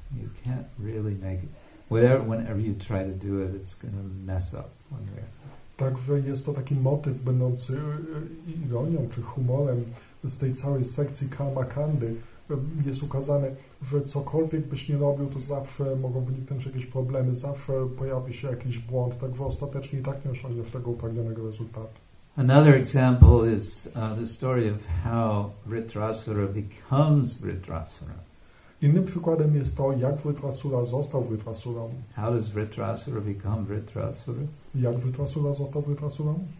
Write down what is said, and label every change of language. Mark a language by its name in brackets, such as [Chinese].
[English] You can't really make it. Whenever you try to do it, it's going to mess up one way. [Polish] Także jest to taki motyw będący ironią czy humorem z tej całej sekcji karmakandy. Jest ukazane, że cokolwiek byś nie robił, to zawsze mogą wyniknąć jakieś problemy, zawsze pojawi się jakiś błąd, także ostatecznie i tak nie osiągniesz tego upragnionego rezultatu. [English] Another example is the story of how Vritrasura becomes Vritrasura. [Polish] Innym przykładem jest to, jak Vritrasura został Vritrasurą. [English] How does Vritrasura become Vritrasura? [Polish] Jak Vritrasura został Vritrasurą?